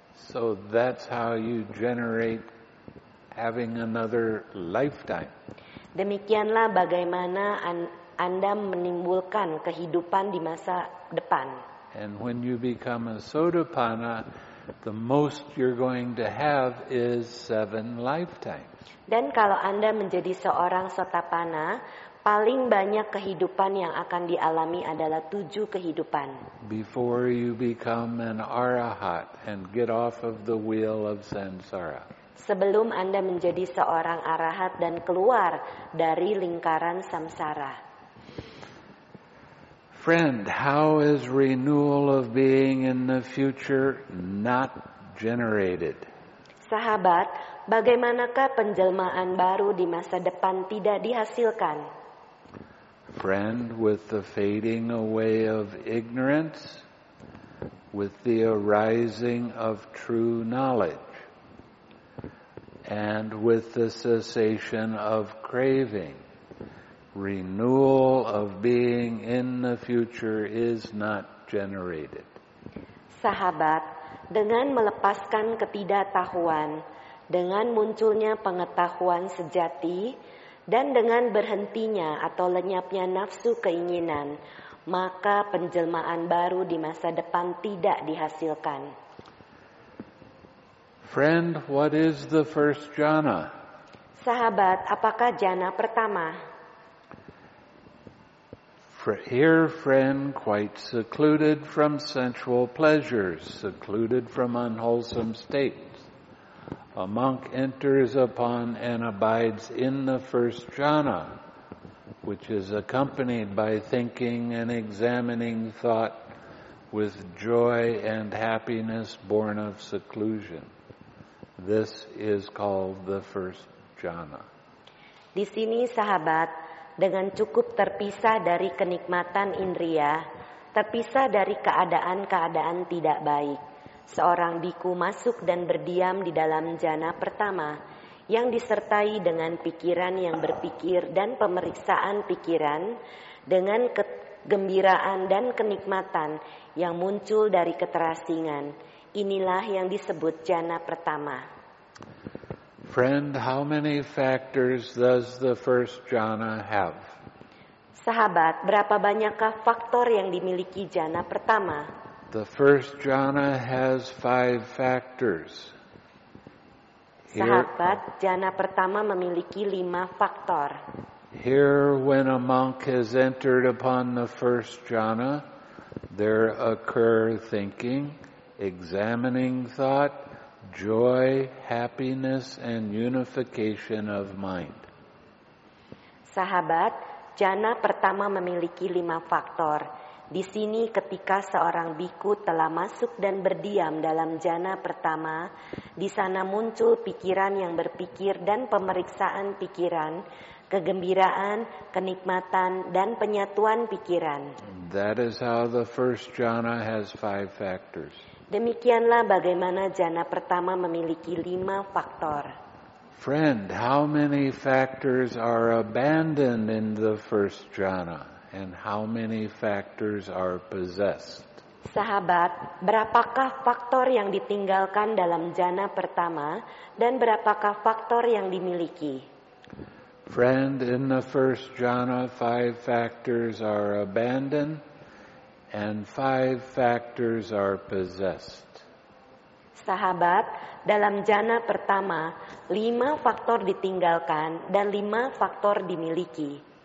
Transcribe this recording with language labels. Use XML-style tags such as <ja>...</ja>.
<en>So that's how you generate having another lifetime.</en> <id>Demikianlah bagaimana Anda menimbulkan kehidupan di masa depan.</id> <en>And when you become a sotapanna, the most you're going to have is 7 lifetimes.</en> <id>Dan kalau Anda menjadi seorang sotapanna, paling banyak kehidupan yang akan dialami adalah 7 kehidupan.</id> <en>Before you become an arahat and get off of the wheel of samsara.</en> <id>sebelum Anda menjadi seorang arahat dan keluar dari lingkaran samsara.</id> <en>Friend, how is renewal of being in the future not generated?</en> <id>Sahabat, bagaimanakah penjelmaan baru di masa depan tidak dihasilkan?</id> <en>Friend, with the fading away of ignorance, with the arising of true knowledge, and with the cessation of craving, renewal of being in the future is not generated.</en> <id>Sahabat, dengan melepaskan ketidaktahuan, dengan munculnya pengetahuan sejati, dan dengan berhentinya atau lenyapnya nafsu keinginan, maka penjelmaan baru di masa depan tidak dihasilkan.</id> <en>Friend, what is the first jhana?</en> <id>Sahabat, apakah jhana pertama?</id> <en>Here, friend, quite secluded from sensual pleasures, secluded from unwholesome states, a monk enters upon and abides in the first jhana, which is accompanied by thinking and examining thought with joy and happiness born of seclusion. This is called the first jhana.</en> <id>Di sini, sahabat, dengan cukup terpisah dari kenikmatan indria, terpisah dari keadaan-keadaan tidak baik, seorang bhikkhu masuk dan berdiam di dalam jhana pertama yang disertai dengan pikiran yang berpikir dan pemeriksaan pikiran dengan kegembiraan dan kenikmatan yang muncul dari keterasingan. Inilah yang disebut jhana pertama.</id> <en>Friend, how many factors does the first jhana have?</en> <id>Sahabat, berapa banyakkah faktor yang dimiliki jhana pertama?</id> <en>The first jhana has 5 factors.</en> <id>Sahabat, jhana pertama memiliki 5 faktor.</id> <en>Here, when a monk has entered upon the first jhana, there occur thinking, examining thought, joy, happiness, and unification of mind.</en> <id>Sahabat, jhana pertama memiliki 5 faktor. Di sini ketika seorang bhikkhu telah masuk dan berdiam dalam jhana pertama, di sana muncul pikiran yang berpikir dan pemeriksaan pikiran, kegembiraan, kenikmatan, dan penyatuan pikiran.</id> <en>That is how the first jhana has 5 factors.</en> <id>Demikianlah bagaimana jhana pertama memiliki 5 faktor.</id> <en>Friend, how many factors are abandoned in the first jhana? And how many factors are possessed?</en> <id>Sahabat, berapakah faktor yang ditinggalkan dalam jhana pertama dan berapakah faktor yang dimiliki?</id> <en>Friend, in the first jhana, 5 factors are abandoned and 5 factors are possessed.</en> <id>Sahabat, dalam jhana pertama, 5 faktor ditinggalkan dan 5 faktor dimiliki.</id>